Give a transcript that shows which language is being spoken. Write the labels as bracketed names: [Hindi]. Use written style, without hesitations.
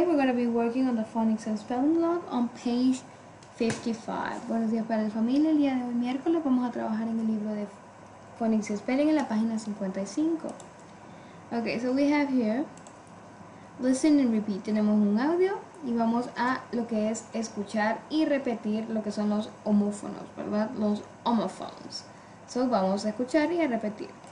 [English] We're going to be working on the phonics and spelling log on page 55. [Spanish] Buenos días para la familia. El día de hoy, miércoles, vamos a trabajar en el libro de [English] phonics and spelling [Spanish] en la página 55. [English] Okay, so we have here, listen and repeat. [Spanish] Tenemos un audio y vamos a lo que es escuchar y repetir lo que son los homófonos, ¿verdad? Los homophones. [English] So [Spanish] vamos a escuchar y a repetir.